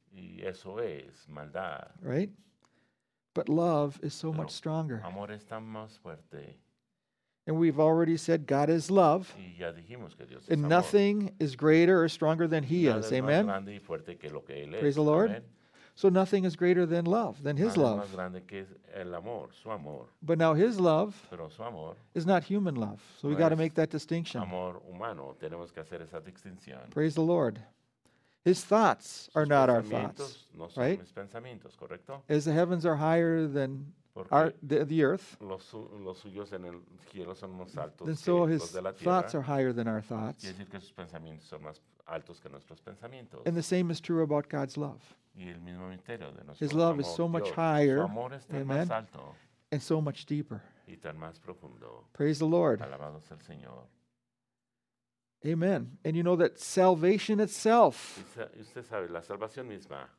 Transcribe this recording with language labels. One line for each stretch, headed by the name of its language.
Spanish: Y eso es maldad.
English: Right? But love is so
Spanish: pero
English: much stronger.
Spanish: Amor es tan más fuerte.
English: And we've already said God is love.
Spanish: Y ya dijimos que Dios es
English: and
Spanish: amor.
English: Nothing is greater or stronger than He
Spanish: nada
English: is. Amen?
Spanish: Más grande y fuerte que lo que él
English: praise The Lord. Amen. So nothing is greater than love, than His
Spanish: nada
English: love.
Spanish: Más grande que el amor, su amor.
English: But now His love
Spanish: pero su amor
English: is not human love. So
Spanish: no
English: we got to make that distinction.
Spanish: Amor humano. Tenemos que hacer esa distinción.
English: Praise the Lord. His thoughts are
Spanish: sus
English: not our thoughts,
Spanish: no son
English: right?
Spanish: Mis pensamientos, correcto?
English: As the heavens are higher than our, the earth, then so his thoughts are higher than our thoughts.
Spanish: Quiere decir que sus pensamientos son más altos que nuestros pensamientos.
English: And the same is true about God's love.
Spanish: Y el mismo misterio de nuestro
English: his love
Spanish: amor,
English: is so much
Spanish: Dios.
English: Higher,
Spanish: su amor es amen, más alto.
English: And so much deeper.
Spanish: Y tan más profundo.
English: Praise the Lord.
Spanish: Alabado sea el Señor.
English: Amen. And you know that salvation itself
Spanish: usted sabe, la salvación misma